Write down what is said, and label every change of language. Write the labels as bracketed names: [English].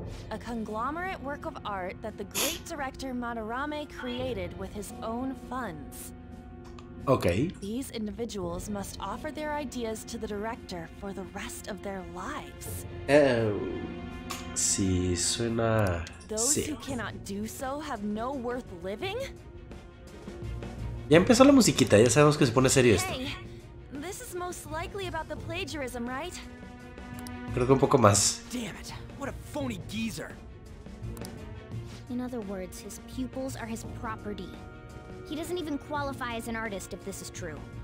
[English] A conglomerate work of art that the great director Madarame created with his own funds. Okay. These individuals must offer their ideas to the director for the rest of their lives. Oh. [Spanish] Sí, suena. [English] Those [Spanish] sí. [English] Who cannot do so have no worth living. [Spanish] Ya empezó la musiquita, ya sabemos que se pone serio esto. [English] This is most likely about the plagiarism, right? [Spanish] Creo que un poco más. [English] Damn it! What a phony geezer! In other words, his pupils are his property. He doesn't even qualify as an artist if this is true.